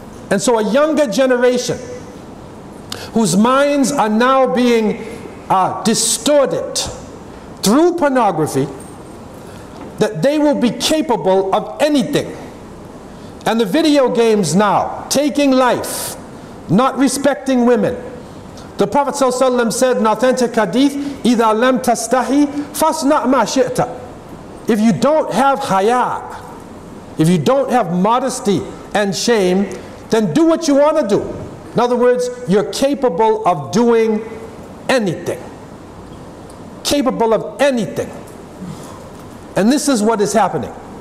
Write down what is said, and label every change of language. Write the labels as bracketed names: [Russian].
[English] And so a younger generation whose minds are now being distorted through pornography, that they will be capable of anything. And the video games now, taking life, not respecting women. The Prophet ﷺ said in authentic hadith, [Arabic] إِذَا لَمْ تَسْتَحِي فَاصْنَعْ مَا شِئْتَ. [English] If you don't have haya, if you don't have modesty and shame, then do what you want to do. In other words, you're capable of doing anything. Capable of anything. And this is what is happening.